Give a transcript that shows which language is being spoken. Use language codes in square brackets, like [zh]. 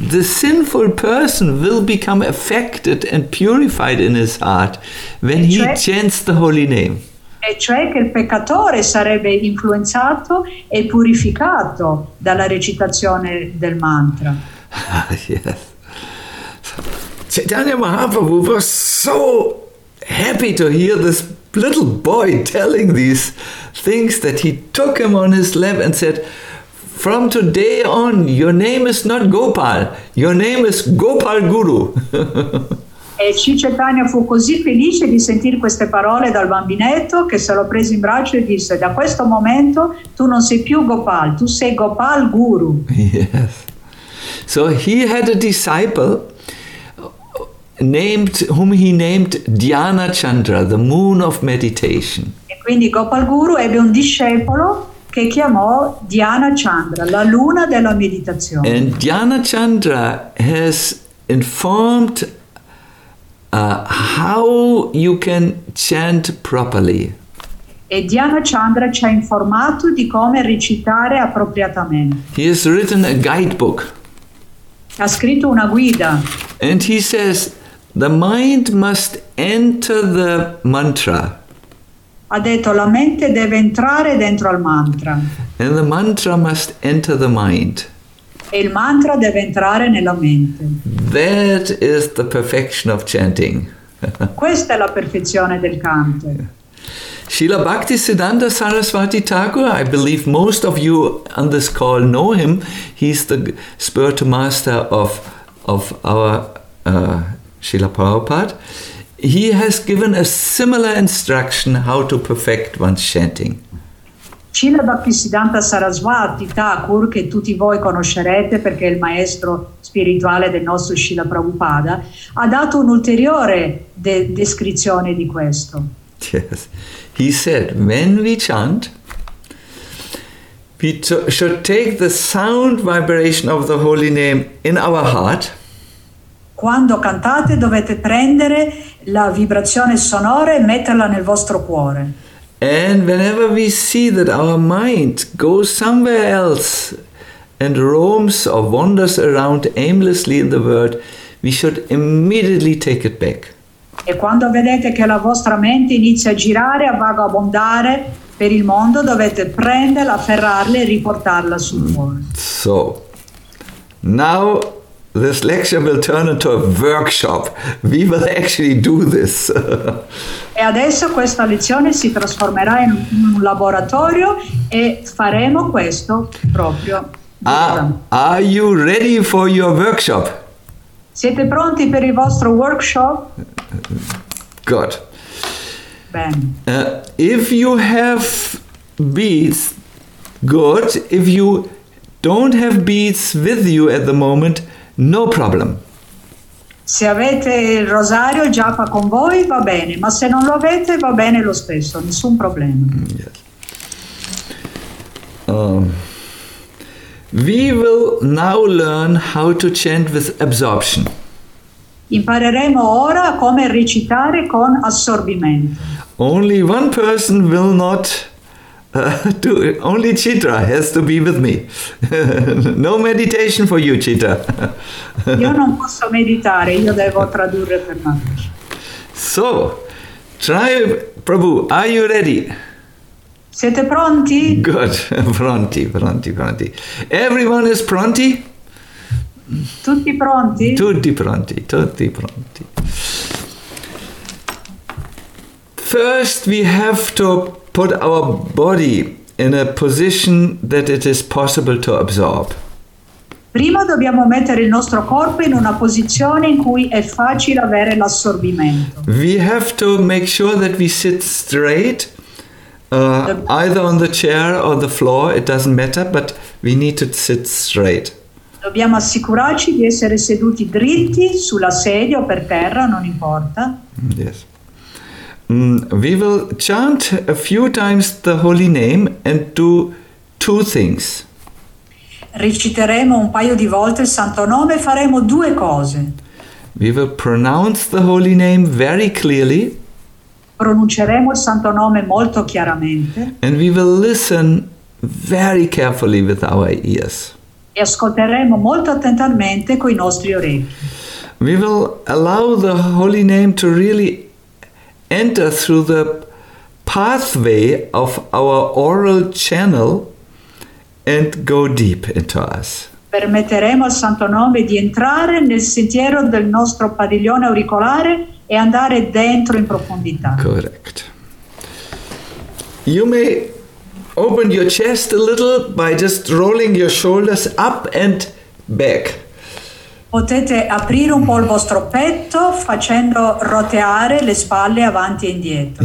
[en] The sinful person will become affected and purified in his heart when he chants the holy name. [it] E cioè che il peccatore sarebbe influenzato e purificato dalla recitazione del mantra. [en] Yes. Chaitanya Mahaprabhu was so happy to hear this little boy telling these things that he took him on his lap and said, from today on, your name is not Gopal, your name is Gopal Guru. [it] E Sri Chaitanya fu così felice di sentire queste parole dal bambinetto che se lo prese in braccio e disse, da questo momento tu non sei più Gopal, tu sei Gopal Guru. [en] Yes. So he had a disciple whom he named Dhyana Chandra, the moon of meditation. [it] E quindi Gopal Guru ebbe un discepolo che chiamò Dhyana Chandra, la luna della meditazione. [en] And Dhyana Chandra has informed how you can chant properly. [it] E Dhyana Chandra ci ha informato di come recitare appropriatamente. [en] He has written a guidebook. [it] Ha scritto una guida. [en] And he says the mind must enter the mantra. [it] Ha detto la mente deve entrare dentro al mantra. [en] And the mantra must enter the mind. [it] E il mantra deve entrare nella mente. [en] That is the perfection of chanting. [it] Questa è la perfezione del canto. [en] Srila Bhaktisiddhanta Sarasvati Thakur, I believe most of you on this call know him. He's the spiritual master of our Srila Prabhupada. He has given a similar instruction how to perfect one's chanting. [it] Srila Bhaktisiddhanta Sarasvati Thakur, che tutti voi conoscerete perché è il maestro spirituale del nostro Srila Prabhupada, ha dato un'ulteriore descrizione di questo. [en] Yes. He said, when we chant, we should take the sound vibration of the holy name in our heart. [it] Quando cantate dovete prendere la vibrazione sonora e metterla nel vostro cuore. [en] And whenever we see that our mind goes somewhere else and roams or wanders around aimlessly in the world, we should immediately take it back. [it] E quando vedete che la vostra mente inizia a girare, a vagabondare per il mondo, dovete prenderla, afferrarla e riportarla sul cuore. [en] So, now this lecture will turn into a workshop. We will actually do this. [it] E adesso questa lezione si trasformerà in un laboratorio e faremo questo proprio. [en] Are you ready for your workshop? [it] Siete pronti per il vostro workshop? [en] Good. [it] Ben. [en] If you have beads, good. If you don't have beads with you at the moment, no problem. [it] Se avete il rosario già con voi, va bene. Ma se non lo avete, va bene lo stesso. Nessun problema. [en] Yes. We will now learn how to chant with absorption. [it] Impareremo ora come recitare con assorbimento. [en] Only one person will not do it. Only Chitra has to be with me. No meditation for you, Chitra. [it] Io non posso meditare, io devo tradurre per me. [en] So, try, Prabhu, are you ready? [it] Siete pronti? Good, pronti, pronti, pronti. [en] Everyone is [it] pronti? Tutti pronti? Tutti pronti, tutti pronti. [en] First we have to put our body in a position that it is possible to absorb. [it] Prima dobbiamo mettere il nostro corpo in una posizione in cui è facile avere l'assorbimento. [en] We have to make sure that we sit straight. Either on the chair or the floor, it doesn't matter, but we need to sit straight. [it] Dobbiamo assicurarci di essere seduti dritti sulla sedia o per terra, non importa. [en] Yes. We will chant a few times the holy name and do two things. [it] Reciteremo un paio di volte il santo nome e faremo due cose. [en] We will pronounce the holy name very clearly. [it] Pronunceremo il santo nome molto chiaramente. [en] And we will listen very carefully with our ears. [it] E ascolteremo molto attentamente coi nostri orecchi. [en] We will allow the holy name to really enter through the pathway of our oral channel and go deep into us. [it] Permetteremo al santo nome di entrare nel sentiero del nostro padiglione auricolare e andare dentro in profondità. [en] Correct. You may open your chest a little by just rolling your shoulders up and back. [it] Potete aprire un po' il vostro petto facendo roteare le spalle avanti e indietro.